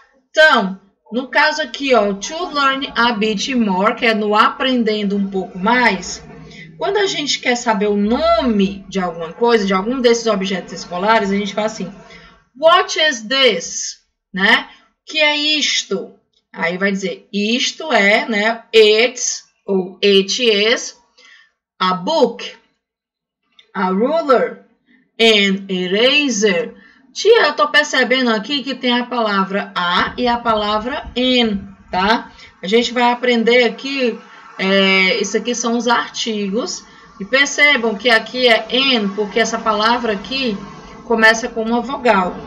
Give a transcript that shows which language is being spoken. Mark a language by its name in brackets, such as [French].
[Portuguese] Então, no caso aqui, ó, [English] to learn a bit more, [Portuguese] que é no aprendendo um pouco mais, quando a gente quer saber o nome de alguma coisa, de algum desses objetos escolares, a gente fala assim: [English] What is this? [Portuguese] Né? que é isto? Aí vai dizer, isto é, né? [English] It's ou it is a book, a ruler, an eraser. [Portuguese] Tia, eu tô percebendo aqui que tem a palavra a e a palavra in, tá? A gente vai aprender aqui, isso aqui são os artigos. E percebam que aqui é in, porque essa palavra aqui começa com uma vogal.